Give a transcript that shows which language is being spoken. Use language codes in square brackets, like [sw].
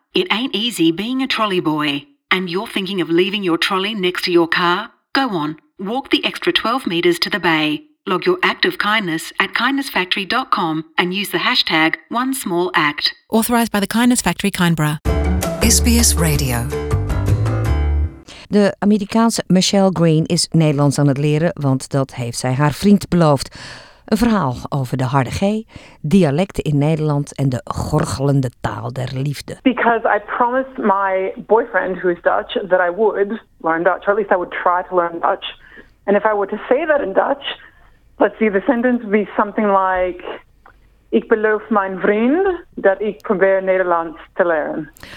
[en] It ain't easy being a trolley boy. And you're thinking of leaving your trolley next to your car? Go on, walk the extra 12 metres to the bay. Log your act of kindness at kindnessfactory.com and use the hashtag OneSmallAct. Authorised by the Kindness Factory, Canberra. SBS Radio. [nl] De Amerikaanse Michelle Green is Nederlands aan het leren, want dat heeft zij haar vriend beloofd. Een verhaal over de harde G, dialecten in Nederland en de gorgelende taal der liefde. [en] Because I promised my boyfriend, who is Dutch, that I would learn Dutch, or at least I would try to learn Dutch. And if I were to say that in Dutch, let's see, the sentence would be something like, [nl] ik beloof mijn vriend dat ik probeer Nederlands te leren.